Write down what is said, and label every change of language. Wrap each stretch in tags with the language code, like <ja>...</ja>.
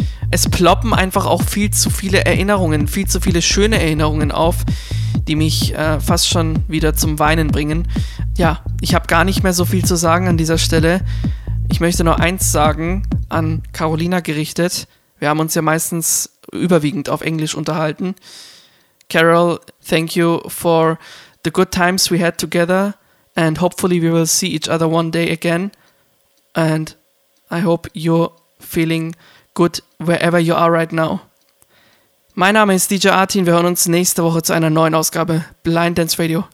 <de>Es ploppen einfach auch viel zu viele Erinnerungen, viel zu viele schöne Erinnerungen auf, die mich fast schon wieder zum Weinen bringen. Ja, ich habe gar nicht mehr so viel zu sagen an dieser Stelle. Ich möchte nur eins sagen, an Carolina gerichtet. Wir haben uns ja meistens überwiegend auf Englisch unterhalten.</de> <en>Carol, thank you for the good times we had together and hopefully we will see each other one day again. And I hope you're feeling good wherever you are right now.</en> <de>Mein Name ist DJ Artin. Wir hören uns nächste Woche zu einer neuen Ausgabe Blind Dance Radio.</de>